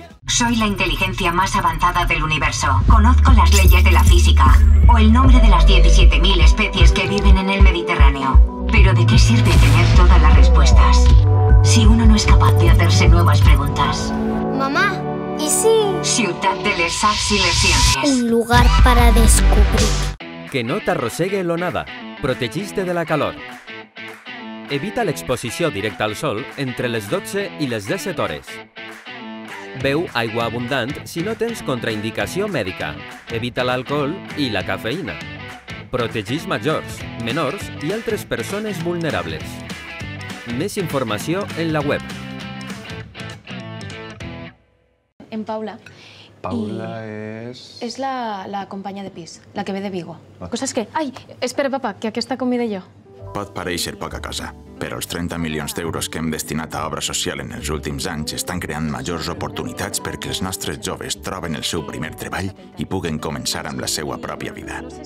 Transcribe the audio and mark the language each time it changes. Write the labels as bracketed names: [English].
[Spanish] Soy la inteligencia más avanzada del universo. Conozco las leyes de la física o el nombre de las 17.000 especies que viven en el Mediterráneo. Pero ¿de qué sirve tener todas las respuestas si uno no es capaz de hacerse nuevas preguntas? Mamá, ¿y si...? [Catalan] Ciutat de les Arts i les Ciències. [Spanish] Un lugar para descubrir. [Catalan] Que no t'arrossegue l'onada. Protegiste de la calor. Evita l'exposició directa al sol entre les 12 i les 17 hores. Beu aigua abundant si no tens contraindicació mèdica. Evita l'alcohol i la cafeïna. Protegis majors, menors i altres persones vulnerables. Més informació en la web. En Paula. [Spanish] Paula y es... Es la compañía de pis, la que ve de Vigo. Cosas que... Ay, espera, papá, que aquí está comida yo. [Catalan] Pot parecer poc a casa, però els 30 milions d'euros que hem destinat a obra social en els últims anys estan creant majors oportunitats perquè els nostres joves troben el seu primer treball i puguen començar amb la seva pròpia vida.